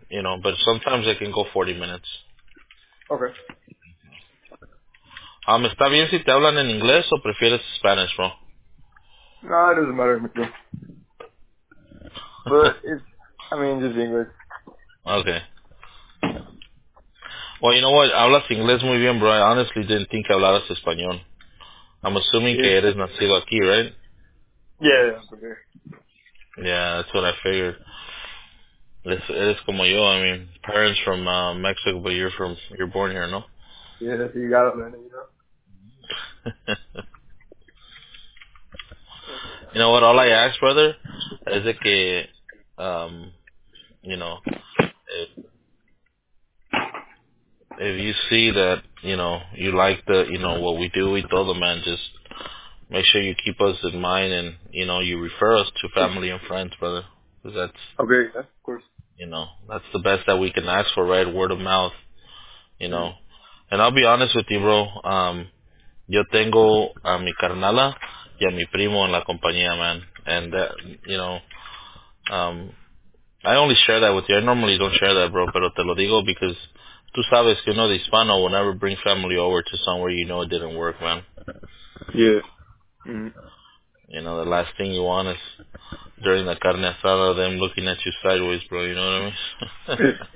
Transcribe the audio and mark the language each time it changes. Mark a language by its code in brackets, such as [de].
[en] You know, but sometimes it can go 40 minutes. Okay. [es] ¿Está bien si te hablan en inglés o prefieres Spanish, bro? [en] No, it doesn't matter, Mikio. But just English. Okay. Well, you know what? [es] Hablas inglés muy bien, [en] bro. I honestly didn't think [es] hablaras español. [en] I'm assuming [es] que eres nacido aquí, [en] right? Yeah, I'm from here. Yeah, that's what I figured. [es] Eres como yo. [en] I mean, parents from Mexico, but you're born here, no? Yeah, you got it, man. You know. You know what? All I ask, brother, is that if you see that, you know, you like the, you know, what we do, we told them, man, just make sure you keep us in mind and, you know, you refer us to family and friends, brother. Because that's... Okay, yeah, of course. You know, that's the best that we can ask for, right? Word of mouth, you know. And I'll be honest with you, bro. [es] Yo tengo a mi carnala y a mi primo en la compañía, man. [en] And, that, you know, I only share that with you. I normally don't share that, bro, [es] pero te lo digo [en] because... [es] Tú sabes que uno de hispano [en] will never bring family over to somewhere you know it didn't work, man. Yeah. You know, the last thing you want is during the carne asada, them looking at you sideways, bro, you know what I mean?